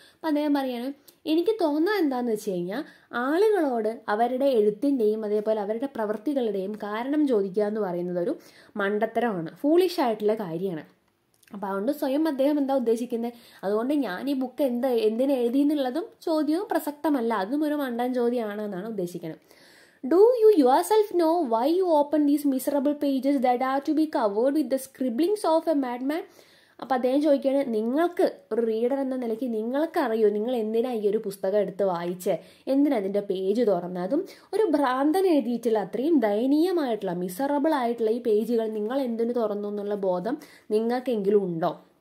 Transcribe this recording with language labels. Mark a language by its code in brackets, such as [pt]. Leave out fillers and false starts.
[ml] അപ്പം അദ്ദേഹം പറയാണ് എനിക്ക് തോന്നുക എന്താണെന്ന് വെച്ച് കഴിഞ്ഞാൽ ആളുകളോട് അവരുടെ എഴുത്തിൻ്റെയും അതേപോലെ അവരുടെ പ്രവൃത്തികളുടെയും കാരണം ചോദിക്കുക എന്ന് പറയുന്നത് ഒരു മണ്ടത്തരമാണ്, ഫൂളിഷ് ആയിട്ടുള്ള കാര്യമാണ്. അപ്പം അതുകൊണ്ട് സ്വയം അദ്ദേഹം എന്താ ഉദ്ദേശിക്കുന്നത്, അതുകൊണ്ട് ഞാൻ ഈ ബുക്ക് എന്തിനു എഴുതി എന്നുള്ളതും ചോദ്യവും പ്രസക്തമല്ല, അതും ഒരു മണ്ടൻ ചോദ്യമാണ് എന്നാണ് ഉദ്ദേശിക്കുന്നത്. [en] Do you yourself know why you open these miserable pages that are to be covered with the scribblings of a madman? [ml] അപ്പോൾ അദ്ദേഹം ചോദിക്കുകയാണ് നിങ്ങൾക്ക് ഒരു റീഡർ എന്ന നിലയ്ക്ക് നിങ്ങൾക്കറിയോ നിങ്ങൾ എന്തിനാ ഈ ഒരു പുസ്തകം എടുത്ത് വായിച്ചേ, എന്തിനതിൻ്റെ പേജ് തുറന്നതും ഒരു ഭ്രാന്തൻ എഴുതിയിട്ടുള്ള അത്രയും ദയനീയമായിട്ടുള്ള മിസറബിൾ ആയിട്ടുള്ള ഈ പേജുകൾ നിങ്ങൾ എന്തിനു തുറന്നു എന്നുള്ള ബോധം നിങ്ങൾക്കെങ്കിലും ഉണ്ടോ?